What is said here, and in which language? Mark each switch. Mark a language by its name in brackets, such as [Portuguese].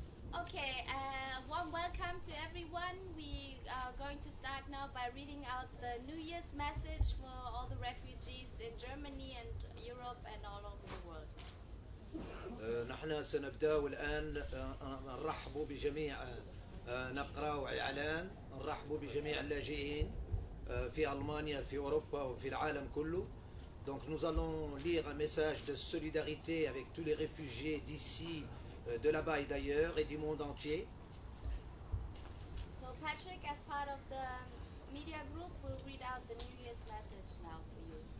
[English] Okay, warm welcome to everyone. We are going to start now by reading out the New Year's message for all the refugees in Germany and Europe and all over the world. [Arabic] نحن سنبدأ الآن نرحب بجميع نقرأ إعلان نرحب بجميع اللاجئين في ألمانيا في أوروبا وفي العالم كله. [French] Donc nous allons lire un message de solidarité avec tous les réfugiés d'ici de là-bas et d'ailleurs et du monde entier. [English] So Patrick, as part of the media group, will read out the New Year's message now for you.